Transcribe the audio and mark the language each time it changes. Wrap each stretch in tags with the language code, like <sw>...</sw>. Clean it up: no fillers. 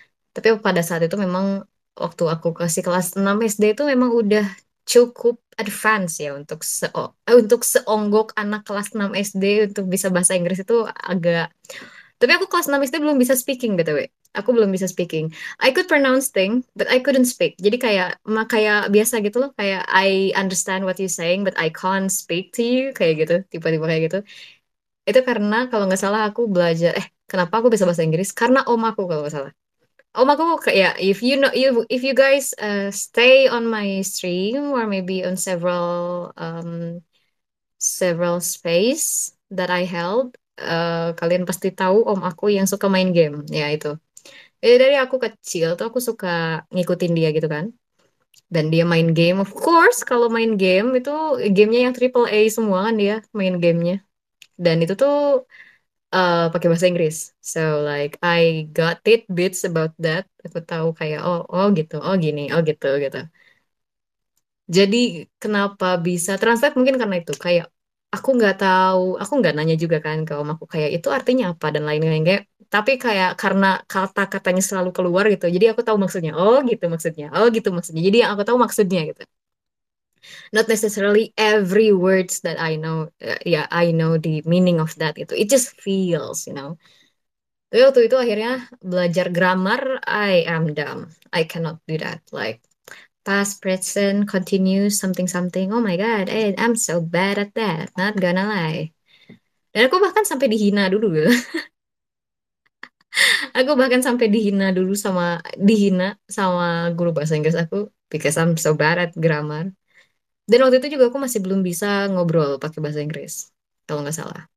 <id>Tapi pada saat itu memang waktu aku kasih kelas 6 SD itu memang udah cukup advance ya untuk seonggok anak kelas 6 SD untuk bisa bahasa Inggris itu agak. Tapi aku kelas 6 SD belum bisa speaking, btw. Aku belum bisa speaking.</id> <en>I could pronounce thing, but I couldn't speak. Jadi kayak kayak biasa gitu loh. Kayak I understand what you saying, but I can't speak to you.</en> <id>Kayak gitu, tiba-tiba kayak gitu. Itu karena kalau nggak salah aku belajar. Kenapa aku bisa bahasa Inggris? Karena om aku kalau nggak salah.</id> <en>Om aku kayak if you know you if you guys stay on my stream or maybe on several several space that I held.</en> <id>Kalian pasti tahu om aku yang suka main game ya itu. Jadi dari aku kecil tuh aku suka ngikutin dia gitu kan. Dan dia main game, of course kalau main game itu gamenya yang triple A semua kan dia main gamenya. Dan itu tuh pakai bahasa Inggris.</id> <en>So like I got it bits about that.</en> <id>Aku tahu kayak oh oh gitu, oh gini, oh gitu gitu. Jadi kenapa bisa translate mungkin karena itu kayak aku nggak tahu, aku nggak nanya juga kan ke om aku kayak itu artinya apa dan lain-lain kayak, tapi kayak karena kata-katanya selalu keluar gitu, jadi aku tahu maksudnya. Oh gitu maksudnya, oh gitu maksudnya. Jadi yang aku tahu maksudnya gitu.</id> <en>Not necessarily every words that I know, ya yeah, I know the meaning of that gitu. It just feels, you know. Tapi waktu itu akhirnya belajar grammar, I am dumb. I cannot do that. Like past, present, continue, something-something. Oh my God, I'm so bad at that. Not gonna lie.</en> <id>Dan aku bahkan sampai dihina dulu. Aku bahkan sampai dihina dulu sama, dihina sama guru bahasa Inggris aku. Because I'm so bad at grammar. Dan waktu itu juga aku masih belum bisa ngobrol pakai bahasa Inggris. Kalau nggak salah.</id>